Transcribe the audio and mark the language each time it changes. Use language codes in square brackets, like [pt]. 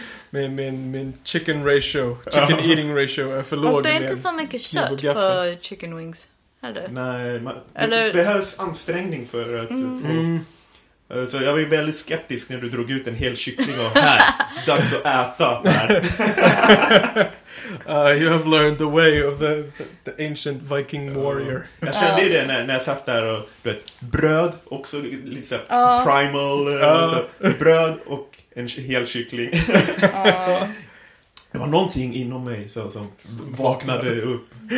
[sv] Min chicken ratio, chicken eating ratio är för låg. Det är inte så mycket kött på chicken wings. Eller? Nej, det behövs ansträngning för att så jag var ju väldigt skeptisk när du drog ut en hel kyckling och här, dags att äta här. [en] You have learned the way of the ancient Viking warrior. [sv] Jag kände det när jag satt där och du vet, bröd också, lite såhär primal, bröd och en hel kyckling. Det var någonting inom mig så, som vaknade upp.